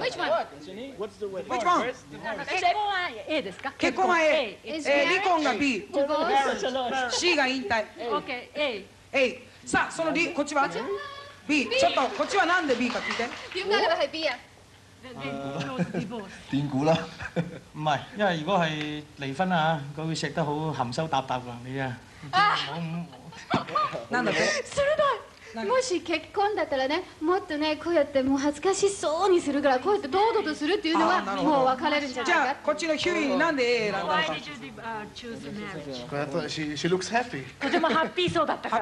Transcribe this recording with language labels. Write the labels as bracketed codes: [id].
[en] Which one? What's the wedding? Which one? [ja] 結婚は A ですか？結婚は A。離婚が B。 [en] Divorce？C [ja] が引退。 OK、A。 A。 さあ、その離、こっちは？こっちは B。ちょっと、こっちはなんで B か聞いて。 [en] You got it, B ya。 [yue] 典故啦，唔係，因為如果係離婚啊，佢會錫得好含羞答答嘅，你啊。 [ja] なんだって。鋭い。もし結婚だったらね、もっとねこうやってもう恥ずかしそうにするから、こうやって堂々とするっていうのはもう別れるんじゃないか。じゃあこっちのヒューイになんで A 選んだのか。 [en] Why did you choose marriage? She looks happy。 [ja] とてもハッピーそうだったから。